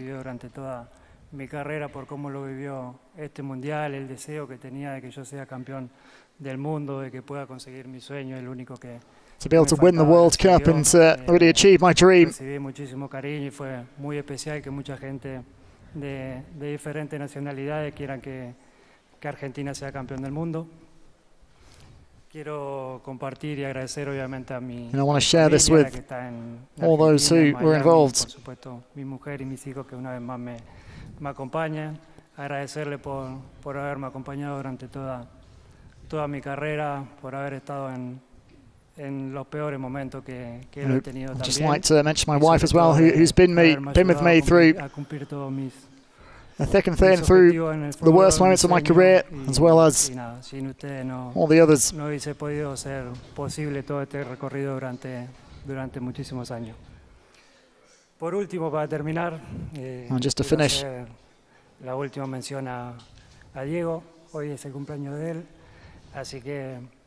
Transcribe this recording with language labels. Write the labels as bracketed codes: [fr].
[es] Durante toda mi carrera por cómo lo vivió este mundial, el deseo que tenía de que yo sea campeón del mundo, de que pueda conseguir mi sueño, el único que [en] to be able to win the World Cup and to really achieve my dream. [es] Recibí muchísimo cariño y fue muy especial que mucha gente de diferentes nacionalidades quieran que Argentina sea campeón del mundo. Quiero compartir y agradecer obviamente a mi familia. [en] I want to share this with all those who were involved. [es] Por supuesto, mi mujer y mis hijos que una vez más me acompañan. Agradecerle por haberme acompañado durante toda mi carrera, por haber estado en los peores momentos que he tenido. [en] I'd just like to mention my wife as well, who's been with me through the thick and thin, through the worst moments of my career, as well as all the others. [es] No hubiese podido ser posible todo este recorrido durante muchísimos años. Por último, para terminar, [en] just to finish, [es] la última mención a Diego. Hoy es el cumpleaños de él, así que